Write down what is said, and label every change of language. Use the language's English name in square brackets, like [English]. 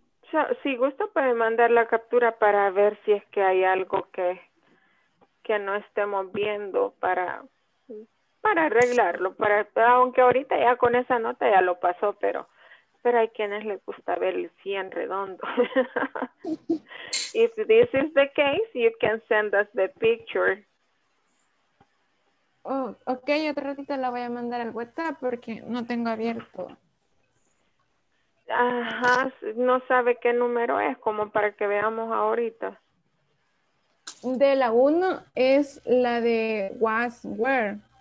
[Spanish] So, si gusta, puede mandar la captura para ver si es que hay algo que no estemos viendo para arreglarlo. Aunque ahorita ya con esa nota ya lo pasó, pero hay quienes les gusta ver el 100 redondo. [English] If this is the case, you can send us the picture. [Spanish] Oh, ok, otro ratito la voy a mandar al WhatsApp porque no tengo abierto. Ajá, no sabe qué número es, como para que veamos ahorita. De la 1 es la de was, where.